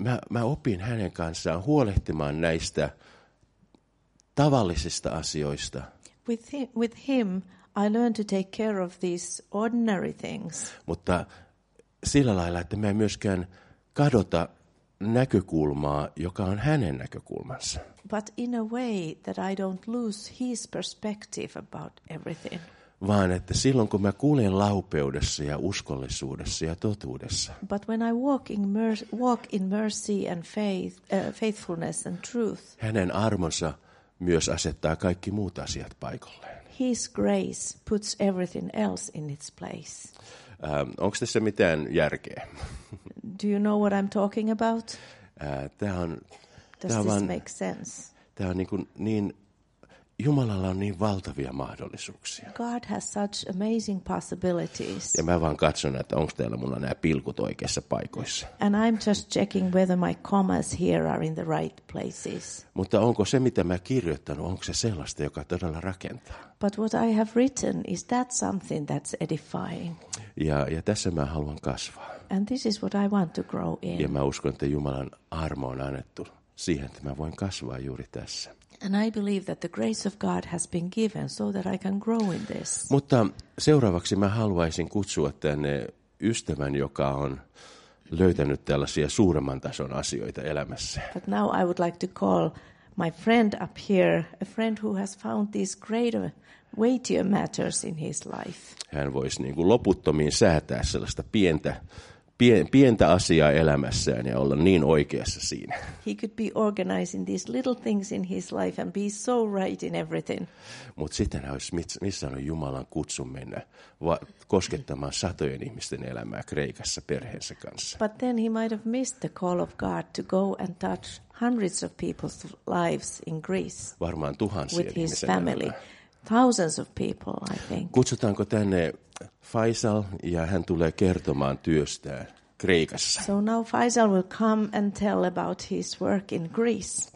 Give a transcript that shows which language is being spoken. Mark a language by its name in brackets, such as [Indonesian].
[Finnish] Mä opin hänen kanssaan huolehtimaan näistä tavallisista asioista. [English] With him, I learned to take care of these ordinary things. [Finnish] Mutta sillä lailla, että mä en myöskään kadota näkökulmaa, joka on hänen näkökulmansa. [English] But in a way that I don't lose his perspective about everything. [Finnish] Vaan että silloin kun mä kuljen laupeudessa ja uskollisuudessa ja totuudessa. [English] But when I walk in mercy and faithfulness and truth. [Finnish] Hänen armonsa myös asettaa kaikki muut asiat paikalleen. [English] His grace puts everything else in its place. [Finnish] Onko tässä mitään järkeä? [English] Do you know what I'm talking about? Does this make sense? [Finnish] Tämä on niin Jumalalla on niin valtavia mahdollisuuksia. [English] God has such amazing possibilities. [Finnish] Ja mä vaan katson, että onko täällä mulla nämä pilkut oikeassa paikoissa. [English] And I'm just checking whether my commas here are in the right places. [Finnish] Mutta onko se, mitä mä kirjoittanut, onko se sellaista, joka todella rakentaa? [English] But what I have written, is that something that's edifying? [Finnish] Ja tässä mä haluan kasvaa. [English] And this is what I want to grow in. [Finnish] Ja mä uskon, että Jumalan armo on annettu siihen, että mä voin kasvaa juuri tässä. [English] And I believe that the grace of God has been given so that I can grow in this. [Finnish] Mutta seuraavaksi mä haluaisin kutsua tänne ystävän, joka on löytänyt tällaisia suuremman tason asioita elämässä. [English] But now I would like to call my friend up here, a friend who has found these greater, weightier matters in his life. [Finnish] Hän voisi niin kuin loputtomiin säätää sellaista pientä asiaa elämässään ja olla niin oikeassa siinä. [English] He could be organizing these little things in his life and be so right in everything. [Finnish] Mut sitten hän olisi missannut Jumalan kutsun mennä koskettamaan satojen ihmisten elämää Kreikassa perheensä kanssa. [English] But then he might have missed the call of God to go and touch hundreds of people's lives in Greece. [Finnish] Varmaan tuhansia [English] with his family. [Finnish] Elämää. [English] Thousands of people, I think. [Finnish] Kutsutaanko tänne Faisal ja hän tulee kertomaan työstään Kreikassa. [English] So now Faisal will come and tell about his work in Greece.